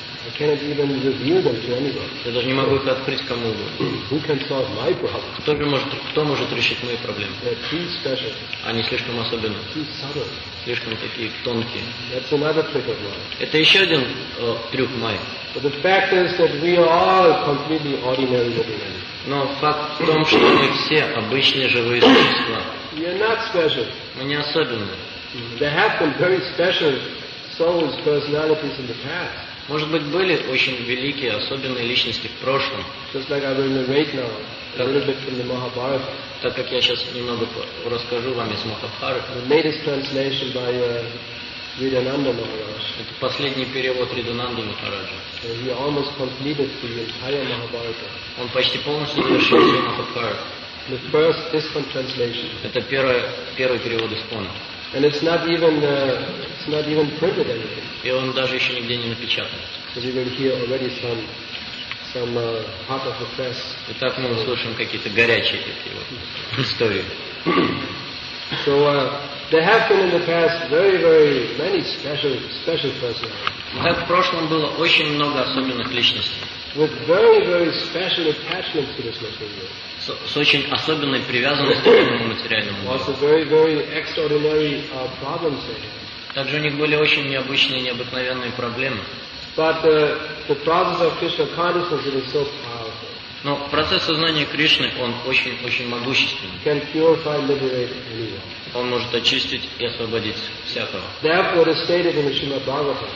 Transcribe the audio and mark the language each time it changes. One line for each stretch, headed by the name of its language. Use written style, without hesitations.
English: I cannot even reveal them to anybody.
Russian: Я даже не могу это открыть кому-либо. Кто может решить мои проблемы? Они слишком особенные. Слишком такие тонкие.
English: That's another trick of mine.
Russian: Это еще один трюк мой.
English: But the fact is that we are all completely ordinary living animals.
Russian: Но факт в том, что мы все обычные живые существа.
English: We are not special.
Russian: Мы не особенные.
English: There have been very special souls, personalities in the past.
Russian: Может быть, были очень великие, особенные личности в прошлом.
English: Just like I will narrate now, a little bit from the Mahabharata.
Russian: Так как я сейчас немного расскажу вам из Махабхараты.
English: The latest translation by Ридананда Махараджа.
Russian: Это последний перевод Ридананды Махараджа.
English: He almost completed the entire Mahabharata.
Russian: Он почти полностью завершил Махабхарату.
English: The first ISKCON translation.
Russian: Это первый перевод ИСКОНа.
English: And it's not even printed anything.
Russian: И он даже еще нигде не напечатан.
English: Because you will hear already some hot off the press.
Russian: Итак, мы услышим какие-то горячие такие вот истории.
English: So there have been in the past very many special persons.
Russian: Так в прошлом было очень много особенных личностей.
English: With very special attachments to this material.
Russian: С очень особенной привязанностью к этому материальному
English: миру. Very extraordinary problems.
Russian: Также у них были очень необычные, необыкновенные проблемы.
English: But the process of Krishna consciousness is so powerful.
Russian: Но процесс сознания Кришны, он очень могущественный.
English: Can purify, liberate anyone.
Russian: Он может очистить и освободить всякого.
English: Therefore, it is stated in the Shrimad Bhagavatam.